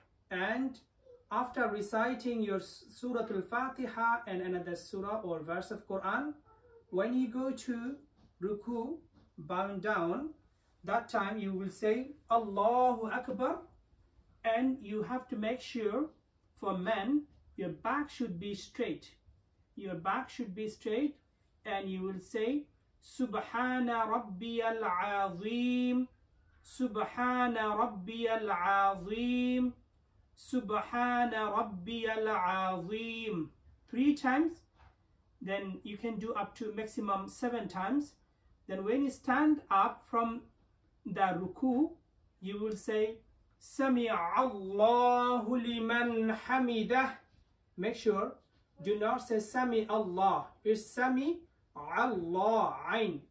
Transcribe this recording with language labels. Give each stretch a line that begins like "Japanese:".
English: And after reciting your Surah Al-Fatiha and another Surah or verse of Quran, when you go to Ruku, bowing down, that time you will say Allahu Akbar. And you have to make sure for men, your back should be straight. Your back should be straight. And you will say
Arabic: Subhana Rabbi Al-Azim. سبحان ربي العظيم سبحان ربي العظيم.
English: 3 times, then you can do up to maximum 7 times. Then when you stand up from the ruku, you will say
Arabic: سمع الله لمن حمده.
English: Make sure, do not say سمع الله, it's
Arabic: سمع الله عين.